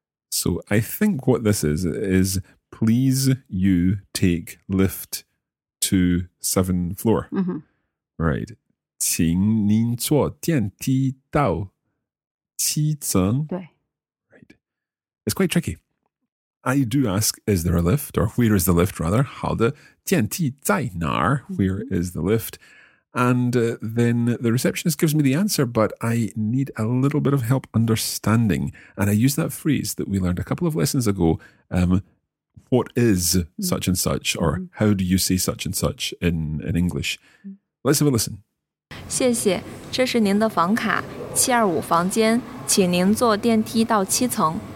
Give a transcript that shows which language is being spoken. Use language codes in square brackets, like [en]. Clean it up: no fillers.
[en] So I think what this is please you take lift to 7th floor.、 Mm-hmm. [zh] Right. 请您坐电梯到七层。对。 [en] Right. It's quite tricky. I do ask, is there a lift? Or where is the lift, rather? [zh] 好的电梯在哪儿、mm-hmm. [en] Where is the lift? And then the receptionist gives me the answer, but I need a little bit of help understanding. And I use that phrase that we learned a couple of lessons ago. What is such and such? Or how do you say such and such in English? Let's have a listen. [zh] 谢谢，这是您的房卡，725房间，请您坐电梯到七层。